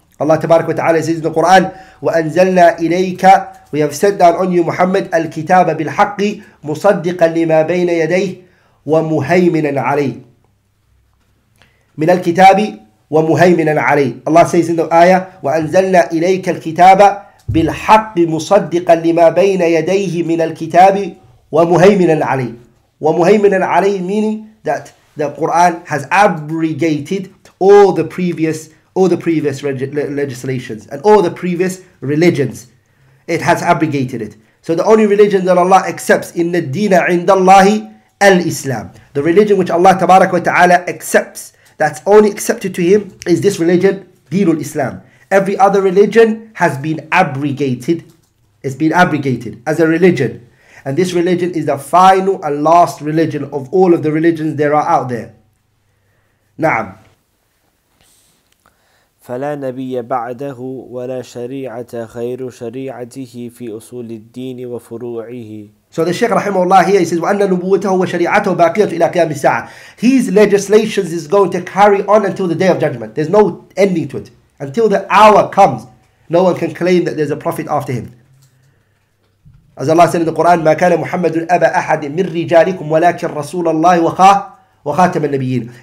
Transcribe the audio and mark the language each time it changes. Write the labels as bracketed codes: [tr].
[en] Allah [ar] تبارك وتعالى [en] says in the Quran, [ar] وأنزلنا إليك, [en] we have sent down on you Muhammad [ar] الكتاب بالحق مصدقا لما بين يديه ومهيمنا عليه. من الكتاب ومهيمنا عليه. [en] Allah says in the ayah, [ar] وأنزلنا إليك الكتاب بالحق مصدقا لما بين يديه من الكتاب ومهيمنا عليه. ومهيمنا عليه [en] meaning that the Quran has abrogated all the previous legislations and all the previous religions. It has abrogated it. So the only religion that Allah accepts, [ar] إِنَّ الدِّينَ عِنْدَ اللَّهِ الْإِسْلَامِ, [en] the religion which Allah [ar] تبارك وتعالى [en] accepts, that's only accepted to him, is this religion, [ar] دِينُ الْإِسْلَامِ. [en] Every other religion has been abrogated. It's been abrogated as a religion. And this religion is the final and last religion of all of the religions there are out there. [ar] نعم. فلا نبي بعده ولا شريعة غير شريعته في أصول الدين وفروعه. [en] So the Sheikh [ar] رحمه الله [en] here, he says [ar] وأن نبوته وشريعته باقية إلى قيام الساعة. [en] His legislations is going to carry on until the day of judgment. There's no ending to it. Until the hour comes, no one can claim that there's a prophet after him. As Allah said in the Quran, [ar] ما كان محمد أبا أحد من رجالكم ولكن رسول الله وخاه وخاتم النبيين.